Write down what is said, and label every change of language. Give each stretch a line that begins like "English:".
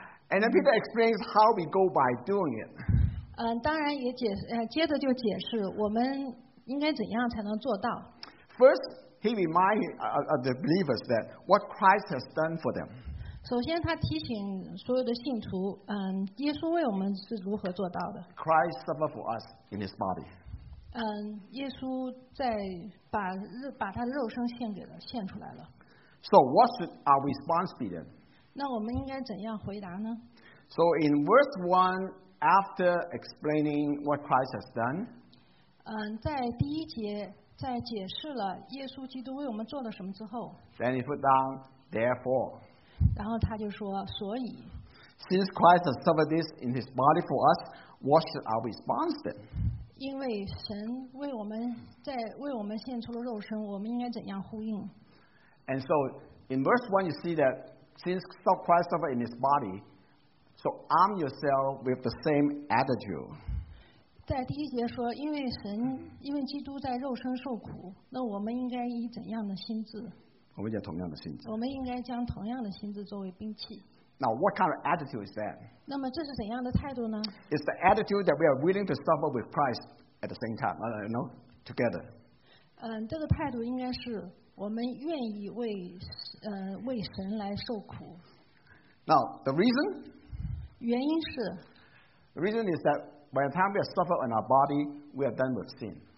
English: And then Peter explains how we go by doing it.
Chinese: 当然也解接着就解释我们应该怎样才能做到。
English: First, he reminds the believers that what Christ has done for them.
Chinese: 首先他提醒所有的信徒，耶稣为我们是如何做到的。
English: Christ suffered for us in His body.
Chinese: 耶稣在把他的肉身献出来了。
English: So what should our response be then?
Chinese: 那我们应该怎样回答呢？
English: So in verse 1, after explaining what Christ has done,
Chinese: 在第一节在解释了耶稣基督为我们做了什么之后，
English: Then he put down, therefore.
Chinese: 然后他就说，所以。
English: Since Christ has suffered this in his body for us, what should our response then?
Chinese: 因为神为我们献出了肉身，我们应该怎样呼应？
English: And so in verse 1, you see that since Christ suffered in his body, so arm yourself with the same attitude.
Chinese: 在第一节说，因为基督在肉身受苦，那我们应该以怎样的心智？我们讲同样的心智。我们应该将同样的心智作为兵器。
English: Now, what kind of attitude is that?
Chinese: 那么这是怎样的态度呢？
English: It's the attitude that we are willing to suffer with Christ at the same time, you know, together.
Chinese: 这个态度应该是我们愿意为神来受苦。
English: Now the reason?
Chinese: 原因是
English: The reason is that by the time we are suffered in our body, we are done with sin.